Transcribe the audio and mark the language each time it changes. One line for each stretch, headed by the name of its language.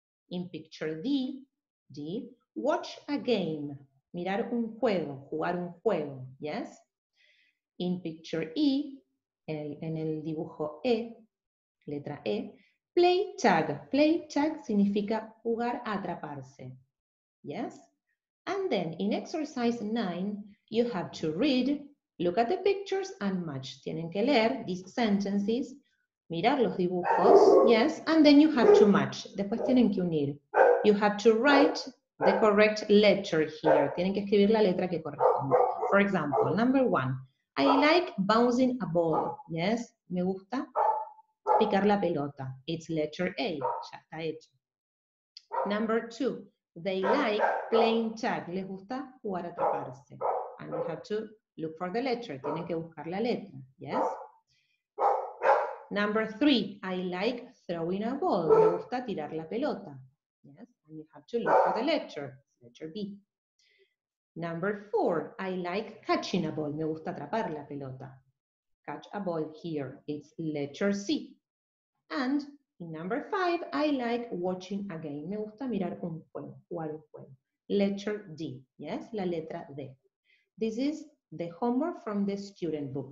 English: In picture D, watch a game,
Spanish: mirar un juego, jugar un juego,
English: yes? In picture E,
Spanish: en el dibujo E, letra E,
English: play tag. Play tag
Spanish: significa jugar a atraparse. Yes?
English: And then in exercise 9, you have to read, look at the pictures and match.
Spanish: Tienen que leer
English: these sentences,
Spanish: mirar los dibujos, yes?
English: And then you have to match.
Spanish: Después tienen que unir.
English: You have to write the correct letter here.
Spanish: Tienen que escribir la letra que corresponde.
English: For example, number 1. I like bouncing a ball. Yes?
Spanish: Me gusta picar la pelota.
English: It's letter A.
Spanish: Ya está hecho.
English: Number 2. They like playing tag.
Spanish: Les gusta jugar a atraparse.
English: And you have to look for the letter.
Spanish: Tienen que buscar la letra. Yes?
English: Number 3. I like throwing a ball.
Spanish: Me gusta tirar la pelota.
English: Yes? And you have to look for the letter. Letter B. Number 4. I like catching a ball.
Spanish: Me gusta atrapar la pelota.
English: Catch a ball here. It's letter C. And in number 5, I like watching a game.
Spanish: Me gusta mirar un juego, jugar un juego.
English: Letter D, yes?
Spanish: La letra D.
English: This is the homework from the student book.